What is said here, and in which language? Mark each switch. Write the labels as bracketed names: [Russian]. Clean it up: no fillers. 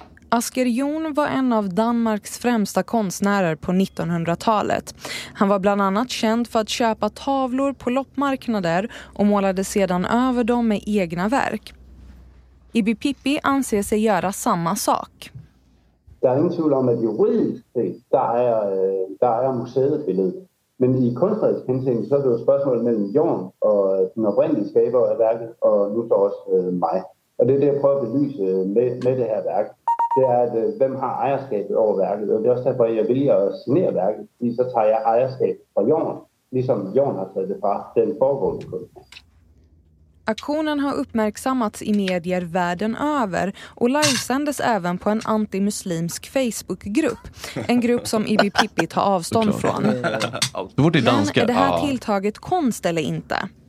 [Swedish] Asger Jon var en av Danmarks främsta konstnärer på 1900-talet. Han var bland annat känd för att köpa tavlor på loppmarknader och målade sedan över dem med egna verk. Ibi Pippi anser sig göra samma sak. [Danish] Der er ingen tvivl om, at juridisk set, der er museet billedet. Men i kunstnerisk henseende, så er det jo et spørgsmål mellem Jorn og den oprindelige skaber af værket, og nu så også mig. Og det er det, jeg prøver at belyse med det her værk. Det er, at hvem har ejerskabet over værket? Og det er også derfor, at jeg vælger at signere værket, fordi så tager jeg ejerskab fra Jorn, ligesom Jorn har taget det fra den foregående kunstner. [Swedish] Aktionen har uppmärksammats i medier världen över och livesändes även på en antimuslimsk Facebookgrupp. En grupp som Ibi Pippi tar avstånd från. Men är det här tilltaget konst eller inte?